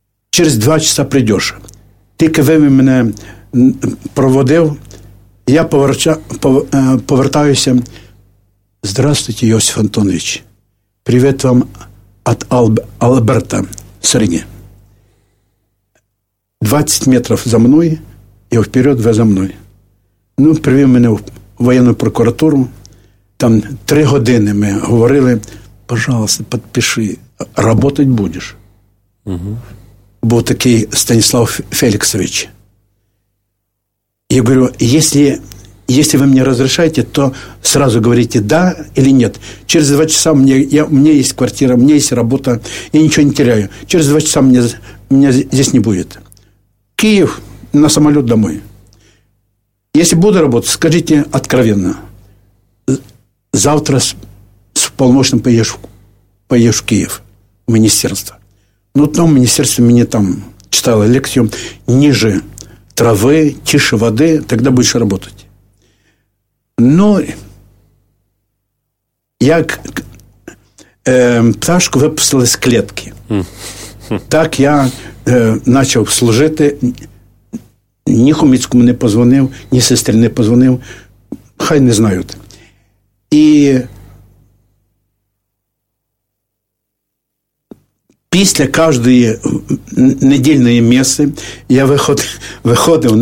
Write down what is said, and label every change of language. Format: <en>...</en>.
<ru>Через 2 часа придешь. Ты КВМ меня проводил.</ru> <uk>Я повертаюсь.</uk> <ru>Здравствуйте, Иосиф Антонович. Привет вам от Альберта Сергея.</ru> <uk>20 метрів за мною, і вперед ви за мною. Ну, привів мене в воєнну прокуратуру, там 3 години ми говорили, пожалуйста, підпиши, работать будеш. Угу. Був такий Станіслав Феліксович. Я говорю, якщо ви мені розрешаєте, то</uk> <ru>сразу говорите «да» или «нет».</ru> <uk>Через 2 часа у мене є квартира, у мене є робота, я нічого не теряю. Через 2 часа мене здесь не буде. Київ на самоліт домой. Якщо буде робота, скажіть откровенно. Завтра з</uk> <ru>полномочным поедешь в Киев, в министерство. Ну, там министерство мне там читало лекцию: ниже травы, тише воды, тогда будешь работать. Но я пташку выпустил из клетки. Так я начал служити.</ru> <uk>Ні Хомицькому не позвонив, ні сестрі не позвонив. Хай не знають. І після кожної недільної меси я виходив.</uk>